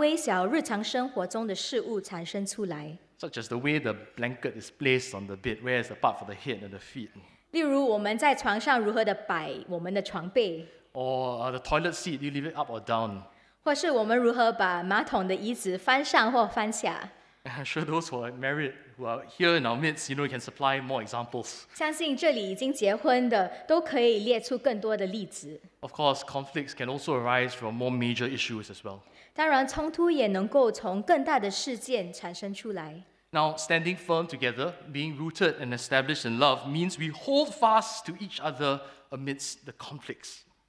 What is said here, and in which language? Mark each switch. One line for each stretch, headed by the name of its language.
Chinese: 我自己的婚姻经验让我看见冲突能够从非常微小日常生活中的事物产生出来。
English: Such as the way the blanket is placed on the bed, where is the part for the head and the feet?
Chinese: 例如我们在床上如何地摆我们的床被。
English: Or the toilet seat, do you leave it up or down?
Chinese: 或是我们如何把马桶的椅子翻上或翻下。
English: I'm sure those who are married, who are here in our midst, you know, can supply more examples.
Chinese: 相信这里已经结婚的都可以列出更多的例子。
English: Of course, conflicts can also arise from more major issues as well.
Chinese: 当然，冲突也能够从更大的事件产生出来。
English: Now, standing firm together, being rooted and established in love, means we hold fast to each other amidst the conflicts.